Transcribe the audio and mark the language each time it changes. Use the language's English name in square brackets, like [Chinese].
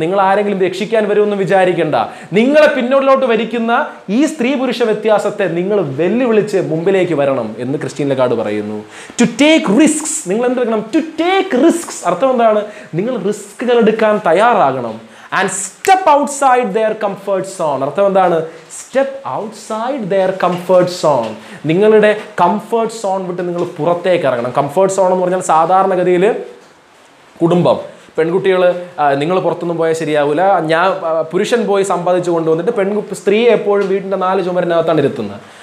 [Malayalam] നിങ്ങൾ ആരെങ്കിലും രക്ഷിക്കാൻ വരുമെന്ന് വിചാരിക്കേണ്ട. നിങ്ങളെ പിന്നോട്ടിലോട്ട് വരിക്കുന്ന ഈ സ്ത്രീ പുരുഷ വ്യത്യാസത്തെ നിങ്ങൾ വെല്ലുവിളിച്ച് മുമ്പിലേക്ക് വരണം എന്ന് ക്രിസ്ത്യൻ ലഗാർഡ് പറയുന്നു. [English] To take risks. [Malayalam] നിങ്ങൾ എന്തെടുക്കണം? To take risks. അർത്ഥം എന്താണ്? നിങ്ങൾ റിസ്കുകൾ എടുക്കാൻ തയ്യാറാകണം. [English] And step outside their comfort zone. [Malayalam] അർത്ഥം എന്താണ്? [English] Step outside their comfort zone. [Malayalam] നിങ്ങളുടെ കംഫേർട്ട് സോൺ വിട്ട് നിങ്ങൾ പുറത്തേക്ക് ഇറങ്ങണം. കംഫേർട്ട് സോൺ എന്ന് പറഞ്ഞാൽ സാധാരണഗതിയിൽ കുടുംബം, പെൺകുട്ടികൾ നിങ്ങൾ പുറത്തൊന്നും പോയാൽ ശരിയാവില്ല, ഞാൻ പുരുഷൻ പോയി സമ്പാദിച്ചു കൊണ്ടുവന്നിട്ട് സ്ത്രീ എപ്പോഴും വീടിൻ്റെ നാല് ചുമരിനകത്താണ് ഇരുത്തുന്നത്.